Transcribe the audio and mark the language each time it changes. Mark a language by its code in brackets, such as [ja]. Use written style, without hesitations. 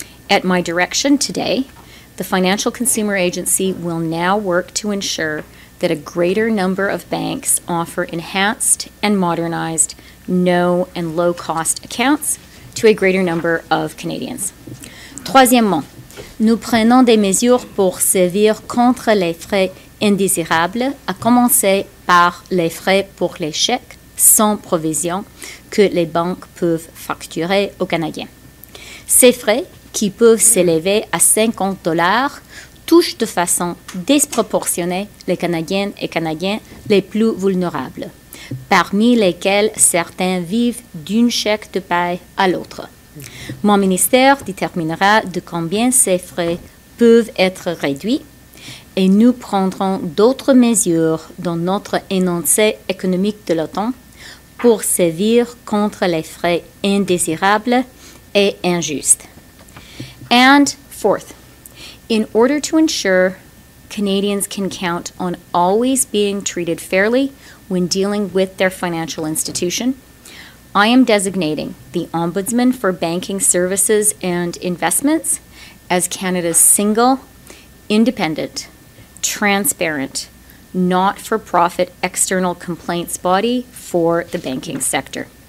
[en] At my direction today, the Financial Consumer Agency will now work to ensure that a greater number of banks offer enhanced and modernized no and low-cost accounts to a greater number of Canadians. [fr] Troisièmement, nous prenons des mesures pour sévir contre les frais indésirables, à commencer par les frais pour les chèques sans provision que les banques peuvent facturer aux Canadiens. Ces frais, qui peuvent s'élever à 50 $, touchent de façon disproportionnée les Canadiennes et Canadiens les plus vulnérables, parmi lesquels certains vivent d'un chèque de paie à l'autre. Mon ministère déterminera de combien ces frais peuvent être réduits et nous prendrons d'autres mesures dans notre énoncé économique de l'OTAN pour sévir contre les frais indésirables et injustes. [en] And fourth, in order to ensure Canadians can count on always being treated fairly when dealing with their financial institution, I am designating the Ombudsman for Banking Services and Investments as Canada's single, independent, transparent, not-for-profit external complaints body for the banking sector.